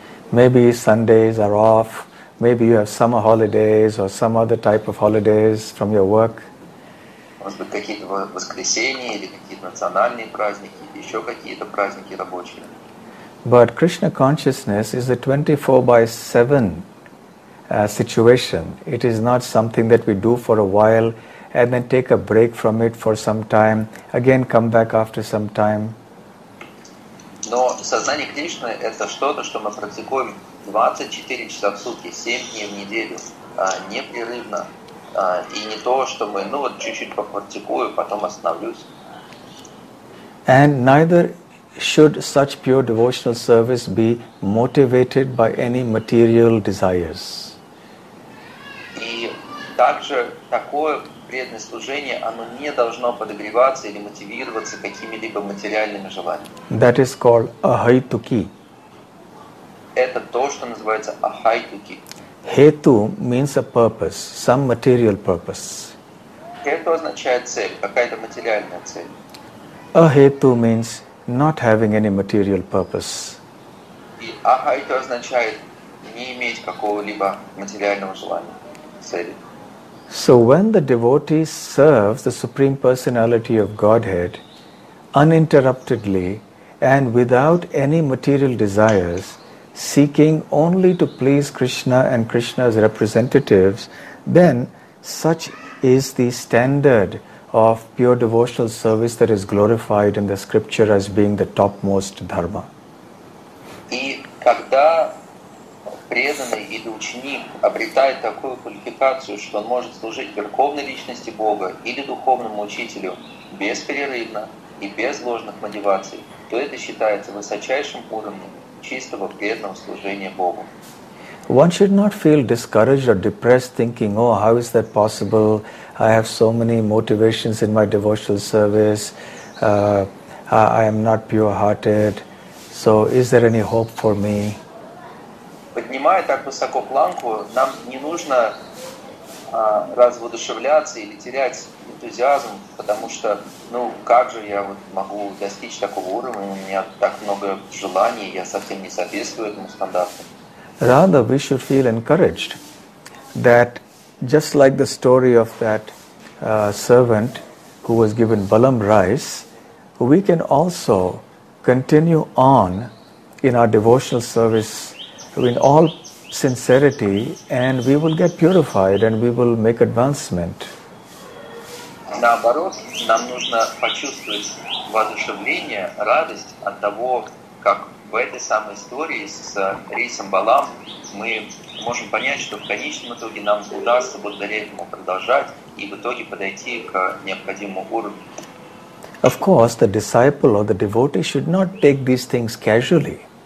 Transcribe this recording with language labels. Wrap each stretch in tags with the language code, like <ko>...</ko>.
<en>Maybe Sundays are off, maybe you have summer holidays or some other type of holidays from your work.</en> <ru>Может быть, какие-то воскресенья или какие-то национальные праздники, еще какие-то праздники рабочие.</ru> <en>But Krishna consciousness is a 24/7 situation. It is not something that we do for a while and then take a break from it for some time, again come back after some time.</en> <ru>Но сознание Кришны – это что-то, что мы практикуем 24 часа в сутки, 7 дней в неделю, непрерывно. И не то, что мы, ну вот, чуть-чуть попрактикую, потом остановлюсь.</ru> <en>And neither should such pure devotional service be motivated by any material desires.</en> <ru>И также такое преданное служение, оно не должно подогреваться или мотивироваться какими-либо материальными желаниями.</ru> <en>That is called ahaituki.</en> <ru>Это то, что называется ahaituki.</ru> <en>Hetu means a purpose, some material purpose.</en> <ru>Hetu означает цель, какая-то материальная цель.</ru> <en>Ahetu means not having any material purpose.</en> <ru>И ahaitu означает не иметь какого-либо материального желания, цели.</ru> <en>So when the devotee serves the Supreme Personality of Godhead uninterruptedly and without any material desires, seeking only to please Krishna and Krishna's representatives, then such is the standard of pure devotional service that is glorified in the scripture as being the topmost dharma.</en> <ru>И когда преданный или ученик обретает такую квалификацию, что он может служить Верховной Личности Бога или Духовному Учителю бесперерывно и без ложных мотиваций, то это считается высочайшим уровнем чистого преданного служения Богу.</ru> <en>One should not feel discouraged or depressed thinking, oh, how is that possible? I have so many motivations in my devotional service. I am not pure-hearted. So is there any hope for me?</en> <ru>Поднимая так высоко планку, нам не нужно развоодушевляться или терять энтузиазм, потому что, ну, как же я вот могу достичь такого уровня, у меня так много желаний, я совсем не соответствую этому стандарту.</ru> <en>Rather, we should feel encouraged that just like the story of that servant who was given balam rice, we can also continue on in our devotional service in all sincerity and we will get purified and we will make advancement.</en> <ru>Наоборот, нам нужно почувствовать воодушевление, радость от того, как в этой самой истории с рейсом Балам мы можем понять, что в конечном итоге нам удастся благодаря этому продолжать и в итоге подойти к необходимому уровню.</ru> <en>Of course, the disciple or the devotee should not take these things casually.</en>